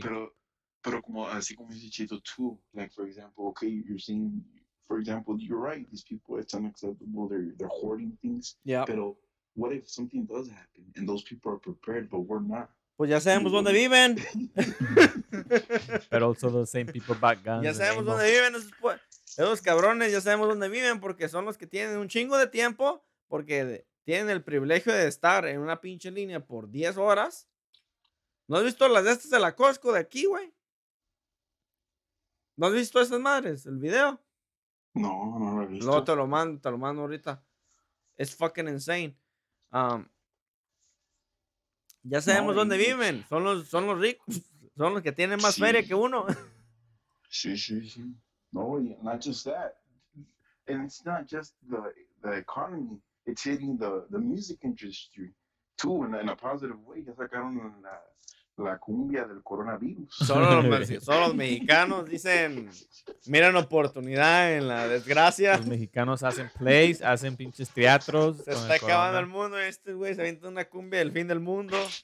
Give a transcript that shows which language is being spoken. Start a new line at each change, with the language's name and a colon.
Spanish: Pero como, así como dice Chito,
English: too. Like, for example, okay, you're saying, for example, you're right. These people, it's unacceptable. They're hoarding things. Yeah.
Spanish: Pero
English: what if something does happen and those people are prepared, but we're not?
Spanish: Pues ya sabemos dónde viven.
English: But also the same people back guns.
Spanish: Ya sabemos dónde viven esos cabrones, ya sabemos dónde viven porque son los que tienen un chingo de tiempo porque tienen el privilegio de estar en una pinche línea por 10 horas. ¿No has visto las de estas de la Costco de aquí, güey? ¿No has visto esas madres, el video? No, no lo he visto. No, te lo mando ahorita.
English: It's fucking insane.
Spanish: Ya sabemos dónde viven. Son los ricos. Son los que tienen más feria que uno. Sí.
English: No, not just that. And it's not just the economy. It's hitting the music industry, too, in a positive way.
Spanish: Ya sacaron la cumbia del coronavirus. Solo los mexicanos dicen, miran oportunidad en la desgracia. Los mexicanos hacen plays, hacen pinches teatros. Se está acabando el mundo. Este güey se avienta una cumbia del fin del mundo.